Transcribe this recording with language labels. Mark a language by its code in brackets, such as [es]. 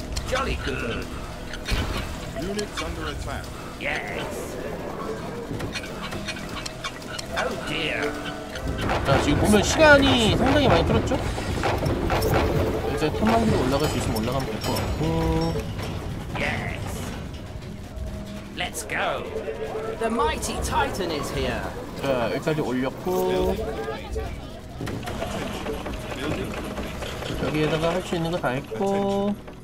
[en] Jolly good. Units under attack. Yes. Oh dear. [ko] 자 지금 보면 시간이 상당히 많이 틀었죠? 이제 톱만기로 올라갈 수 있으면 올라가면 될 것 같고 [en] Yes. Let's go. The mighty Titan is here. [ko] 자 여기까지 올렸고 여기에다가 할 수 있는 거 다 했고